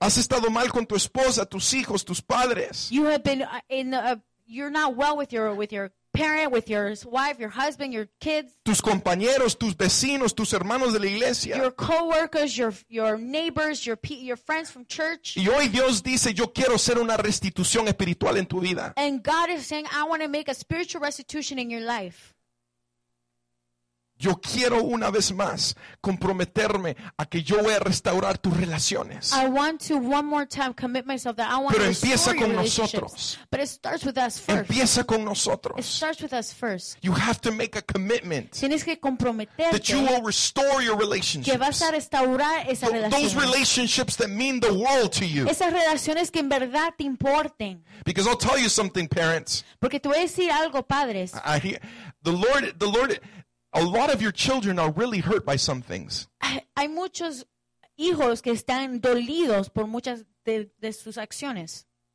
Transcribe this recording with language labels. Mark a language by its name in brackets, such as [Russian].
[Spanish] Has estado mal con tu esposa, tus hijos, tus padres. [English] You have been you're not well with your parent, with your wife, your husband, your kids, [Spanish] tus compañeros, tus vecinos, tus hermanos de la iglesia, [English] your coworkers, your neighbors, your friends from church. [Spanish] Y hoy Dios dice, yo quiero hacer una restitución espiritual en tu vida. [English] And God is saying, I want to make a spiritual restitution in your life. [Spanish] Yo quiero una vez más comprometerme a que yo voy a restaurar tus relaciones. [English] I want to one more time commit myself that I want to restore your relationships. But it starts with us first. [Spanish] Empieza con nosotros. [English] It starts with us first. You have to make a commitment. [Spanish] Tienes que comprometerte. [English] That you will restore your relationships. [Spanish] Que vas a restaurar esa relación. [English] Those relationships that mean the world to you. [Spanish] Esas relaciones que en verdad te importen. [English] Because I'll tell you something, parents. [Spanish] Porque te voy a decir algo, padres. [English] The Lord. A lot of your children are really hurt by some things. [Spanish] Hay muchos hijos que están dolidos por muchas de sus acciones.